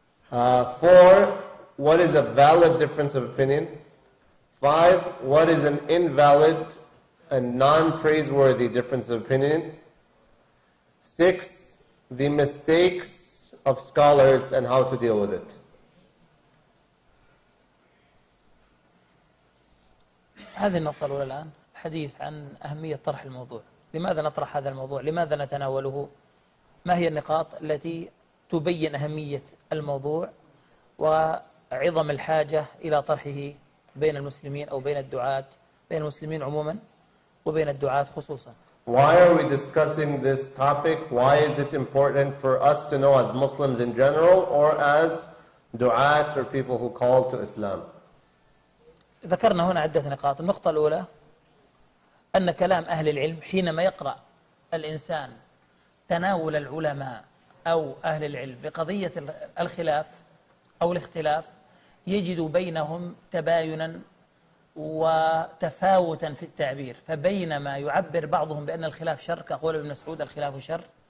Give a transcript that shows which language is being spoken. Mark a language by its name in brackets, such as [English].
[English] Four, what is a valid difference of opinion? Five, what is an invalid a non-praiseworthy difference of opinion? Six, the mistakes of scholars and how to deal with it. [Arabic] هذه النقطة الأولى الآن, الحديث عن أهمية طرح الموضوع. لماذا نطرح هذا الموضوع؟ لماذا نتناوله؟ ما هي النقاط التي تبين أهمية الموضوع وعظم الحاجة إلى طرحه بين المسلمين أو بين الدعاة, بين المسلمين عموماً وبين الدعاة خصوصا. [English] Why are we discussing this topic? Why is it important for us to know as Muslims in general or as du'at or people who call to Islam? [Arabic] ذكرنا هنا عدة نقاط. النقطة الأولى أن كلام أهل العلم حينما يقرأ الإنسان تناول العلماء أو أهل العلم بقضية الخلاف أو الاختلاف يجد بينهم تباينا وتفاوتا في التعبير، فبينما يعبر بعضهم بأن الخلاف شر كقول ابن مسعود الخلاف شر،